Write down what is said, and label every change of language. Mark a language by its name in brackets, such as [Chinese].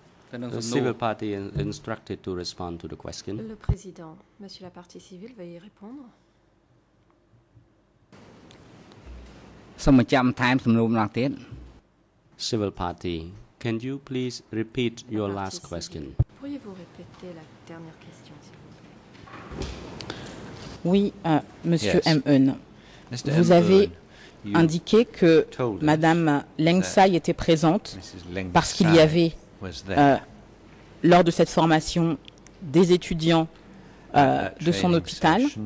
[English] The civil party instructed to respond to the question. [French] Le président, monsieur la partie civile, veuillez répondre. [English] Civil party, can you please repeat your last question? [French] Pourriez-vous répéter la dernière question, s'il vous plaît? Oui, monsieur M. Eun, vous avez indiqué que madame Leng Sai était présente parce qu'il y avait, lors de cette formation, des étudiants de son hôpital.